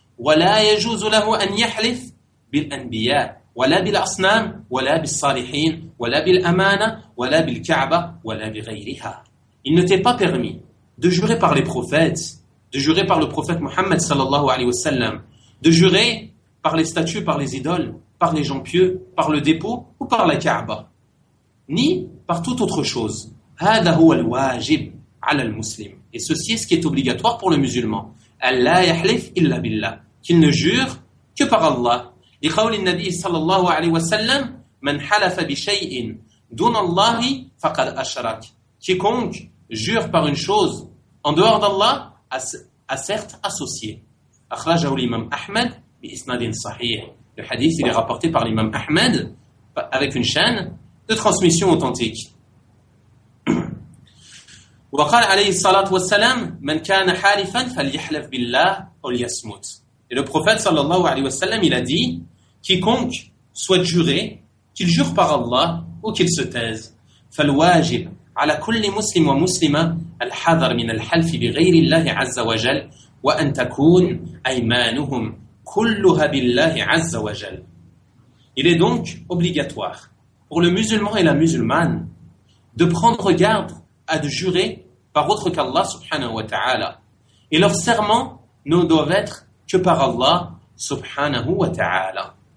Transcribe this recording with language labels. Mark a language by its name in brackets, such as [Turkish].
[Arabic] وَلَا يَجُوزُ لَهُ أَنْ يَحْلِفْ بِالْأَنْبِيَاء وَلَا بِالْأَصْنَامِ وَلَا بِالصَّالِحِينَ وَلَا بِالْأَمَانَ وَلَا بِالْكَعْبَ وَلَا بِغَيْرِهَا. [French] Il ne t'est pas permis de jurer par les prophètes, de jurer par le prophète Muhammad sallallahu alayhi wa sallam, de jurer par les statues, par les idoles, par les gens pieux, par le dépôt ou par la Kaaba, ni par toute autre chose. [Arabic] هذا هو الواجب على المسلم. [French] Et ceci est ce qui est obligatoire pour le musulman. [Arabic] لا يحلف إلا بالله. [French] Qu'il ne jure que par Allah. [Arabic] لقول النبي صلى الله عليه وسلم من حلف بشيء دون الله فقد أشرك. [French] Quiconque jure par une chose en dehors d'Allah a certes associé. [Arabic] أخرجه الإمام أحمد بإسناد صحيح. [French] Le hadith il est rapporté par l'imam Ahmed avec une chaîne de transmission authentique. [Arabic] وقال عليه الصلاة والسلام من كان حالفا فليحلف بالله أو ليصمت. [French] Et le prophète sallallahu alayhi wa sallam il a dit quiconque souhaite jurer qu'il jure par Allah ou qu'il se taise. [Arabic] فالواجب على كل مسلم ومسلمة الحذر من الحلف بغير الله عز وجل وأن تكون أيمانهم. kulluha billahi azza wa jal. [French] Il est donc obligatoire pour le musulman et la musulmane de prendre garde à de jurer par autre qu'Allah subhanahu wa ta'ala. Et leurs serments ne doivent être que par Allah subhanahu wa ta'ala.